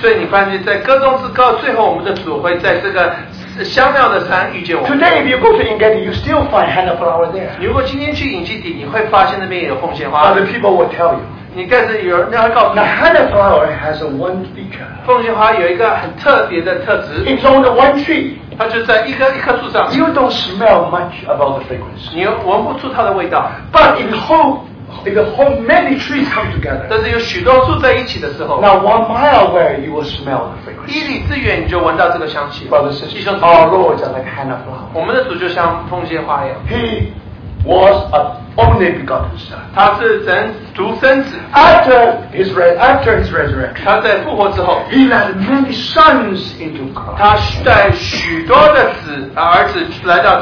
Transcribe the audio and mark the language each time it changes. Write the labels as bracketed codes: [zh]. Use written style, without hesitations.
[zh] 所以你发现在歌中之歌最后我们的主会在这个香料的山遇见我们。 [en] Today if you go to Engedi, you still find Hannah flower there. [zh] 如果今天去英加底, 你会发现那边也有凤仙花。 [en] Other people will tell you. [zh] 你跟着有人要告诉你, [en] now Hannah flower has one feature. [zh] 凤仙花有一个很特别的特质。 [en] It's on the one tree. [zh] 它就在一棵树上。 [en] You don't smell much about the fragrance. [zh] 你闻不出它的味道。 [en] But in hope, if a whole many trees come together, [zh] 但是有许多树在一起的时候, [en] now 1 mile away you will smell the fragrance. [zh] 一里之远你就闻到这个香气, [en] brother, sister, our Lord is like Hannah flower. [zh] 我们的主就像凤仙花一样, [en] he was an only begotten son. [zh] 他是独生子, [en] after his resurrection, [zh] 他在复活之后, [en] he led many sons into God. [zh] 他带许多的子儿子来到,